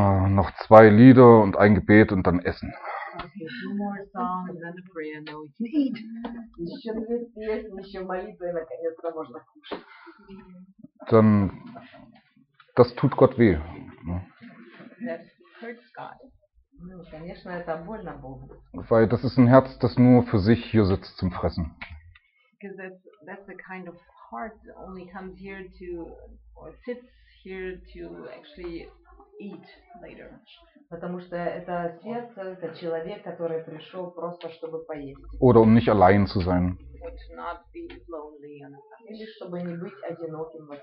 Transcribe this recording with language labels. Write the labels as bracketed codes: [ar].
[de] Noch zwei Lieder und ein Gebet und dann essen. [en] Okay, two more songs, then a prayer, and then we can eat. [ru] Еще две песни, еще молитва, и наконец-то можно кушать. [de] Dann, das tut Gott weh. [en] That hurts God. [ru] Ну, конечно, это больно Богу. [de] Weil das ist ein Herz, das nur für sich hier sitzt zum Fressen. [en] Because that's the kind of heart that only comes here to or sits here to actually eat later. [ru] Потому что это сердце, это человек, который пришел просто чтобы поесть. [de] Oder um nicht allein zu sein. [en] Or to not be lonely. [ru] Или чтобы не быть одиноким.